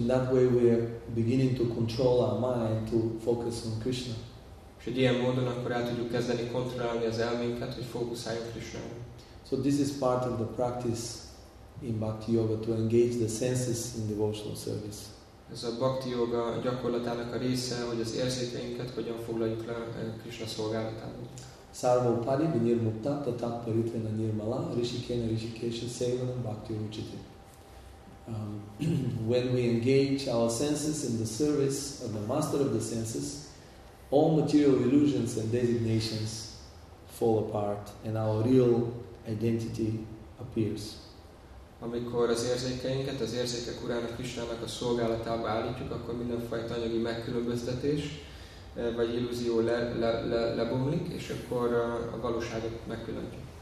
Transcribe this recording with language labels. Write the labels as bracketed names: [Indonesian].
[English] In that way we are beginning to control our mind to focus on Krishna. [Hungarian] És egy ilyen módon akkor el tudjuk kezdeni kontrollálni az elménket, hogy fókuszáljunk Krishnára. [English] So this is part of the practice in Bhakti Yoga, to engage the senses in devotional service. [Hungarian] Ez a Bhakti Yoga gyakorlatának a része, hogy az érzékeinket hogyan foglaljuk le Krishna szolgálatában. [Sanskrit] Sarvopadi Vinirmukta Tata Paritvana Nirmala Rishikena Rishikesha Sevanam Bhakti Uchiti. [English] When we engage our senses in the service of the master of the senses, all material illusions and designations fall apart and our real identity appears. [Hungarian] Amikor az érzékeinket, az érzékek urának, Krisnának a szolgálatába állítjuk, akkor mindenfajta anyagi megkülönböztetés vagy illúzió lebomlik, és akkor a valóságot megkülönjük.